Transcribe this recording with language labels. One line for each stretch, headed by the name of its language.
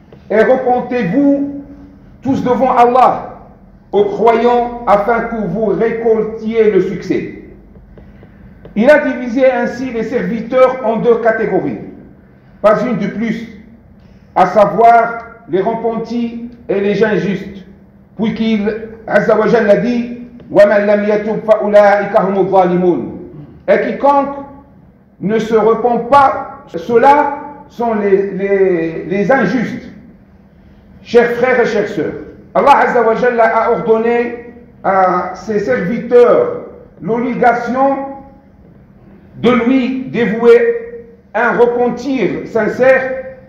French: Et repentez-vous tous devant Allah, aux croyants, afin que vous récoltiez le succès. Il a divisé ainsi les serviteurs en deux catégories, pas une de plus, à savoir les repentis et les gens justes. Puis qu'il, Azza wa Jalla, dit
Arabic: وَمَنْ لَمْ يَتُوبْ فَأُولَٰئِكَ هُمُ الظَّالِمُونَ.
French: Et quiconque ne se repent pas, ceux-là sont les injustes. Chers frères et chères sœurs, Allah Azza wa Jalla a ordonné à ses serviteurs l'obligation de lui dévouer un repentir sincère.